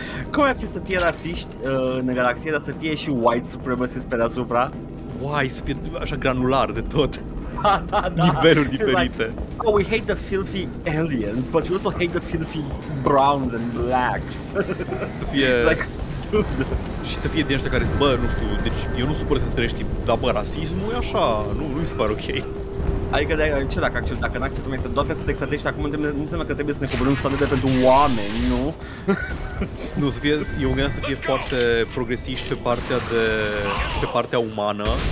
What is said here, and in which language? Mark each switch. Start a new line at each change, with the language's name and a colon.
Romanian: Cum ar fi să fie rasist în galaxie, dar să fie și white supremacist pe deasupra?
English: Why?
Romanian: Să fie așa granular de tot. Da, da, da. Niveluri diferite.
English: Like, oh, we hate the filthy aliens, but we also hate the filthy browns and blacks.
Romanian: Să fie...
English: like, dude.
Romanian: Și să fie din ăștia care zic, bă, nu știu, deci eu nu supăr să trăiești, dar bă, rasismul e așa, nu mi se pare ok. Adică, de, ce dacă acceptăm? Dacă n-acceptăm este doar ca să te exaltești, acum nu înseamnă că trebuie să ne coborâm standarde pentru oameni, nu? Nu, să fie, eu gândeam să fie foarte progresiști pe partea de, pe partea umană.